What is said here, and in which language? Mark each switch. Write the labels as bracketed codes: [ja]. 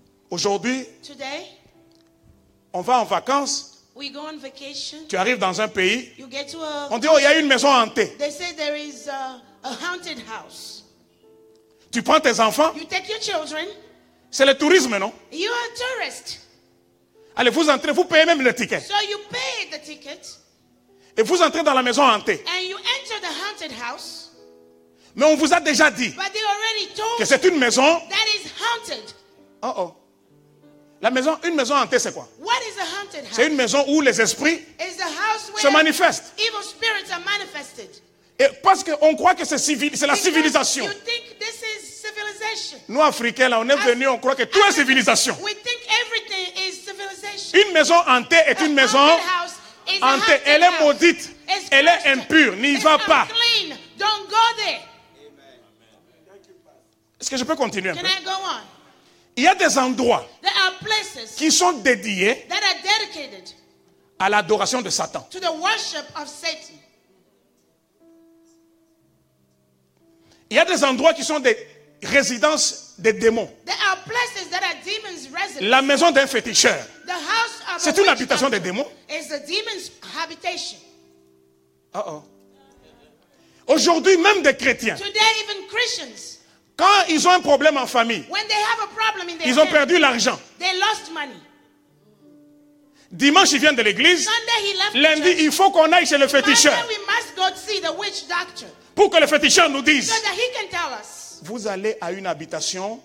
[fr] Aujourd'hui, on va en vacances. [en] We go on vacation. [fr] Tu arrives dans un pays. [en] You get to a [fr] on dit, oh, il y a une maison hantée. [en] They say there is a haunted house. [fr] Tu prends tes enfants. [en] You take your children. [fr] C'est le tourisme, non? [en] You are a tourist. [fr] Allez, vous entrez, vous payez même le ticket. [en] So you pay the ticket. [fr] Et vous entrez dans la maison hantée. [en] And you enter the haunted house. [fr] Mais on vous a déjà dit [en] but they already told [fr] que c'est une maison [en] that is haunted. Oh, oh. [fr] La maison, une maison hantée, c'est quoi? [en] What is a haunted house? [fr] C'est une maison où les esprits se manifestent. [en] Evil spirits are manifested. [fr] Et parce qu'on croit que c'est la civilisation. [en] You think this is civilization. [fr] Nous, Africains, là, on est venus, on croit que tout est civilisation. [en] We think everything is civilization. [fr] Une maison hantée est une maison hantée. Elle est maudite. Elle est impure. N'y va pas. [en] Clean. Don't go there. [fr] Est-ce que je peux continuer un [en] peu? Can I go on? [fr] Il y a des endroits [en] there are places [fr] qui sont dédiés [en] that are dedicated [fr] à l'adoration de Satan. [en] To the worship of Satan. [fr] Il y a des endroits qui sont des résidences des démons. [en] There are places that are demons' residence. [fr] La maison d'un féticheur. [en] The house of [fr] c'est [en] a [fr] une habitation des démons. [en] Is a demon's habitation. Uh-oh. [fr] Aujourd'hui, même des chrétiens. [en] Today, even Christians, [fr] quand ils ont un problème en famille, [en] when they have a problem in their [fr] ils ont perdu l'argent. [en] They lost money. [fr] Dimanche, ils viennent de l'église. [en] Sunday, he left [fr] lundi, [en] the [fr] il faut qu'on aille chez le féticheur. [en] Monday, we must go see the witch doctor. [fr] Pour que le féticheur nous dise, [en] so that he can tell us, [fr] vous allez à une habitation